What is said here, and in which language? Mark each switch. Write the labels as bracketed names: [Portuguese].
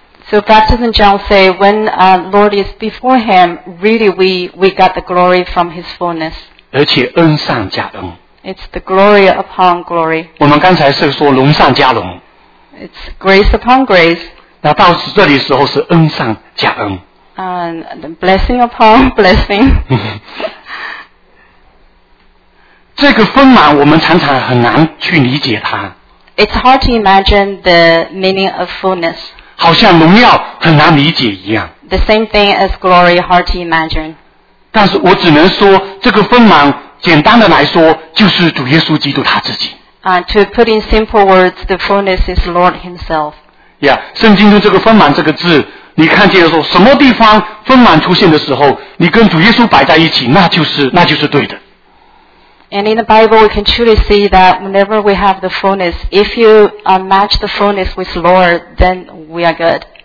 [English] So baptism John say when Lord is before him, really we got the glory from his fullness. [Chinese] 而且恩上加恩。 [English] It's the glory upon glory. [Chinese] 我们刚才是说荣上加荣。 [English] It's grace upon grace. [Chinese] 那到这里时候是恩上加恩。 [English] Blessing upon blessing. [Chinese] 这个丰满我们常常很难去理解它。 [English] It's hard to imagine the meaning of fullness. [Chinese] 好像荣耀很难理解一样。 [English] The same thing as glory, hard to imagine. [Chinese] 但是我只能说，这个丰满，简单的来说，就是主耶稣基督他自己。 [English] To put in simple words, the fullness is Lord Himself. [Chinese] Yeah, 圣经中这个丰满这个字，你看见的时候，什么地方丰满出现的时候，你跟主耶稣摆在一起，那就是对的。 [English] And in the Bible, we can truly see that whenever we have the fullness, if you match the fullness with Lord, then we are good.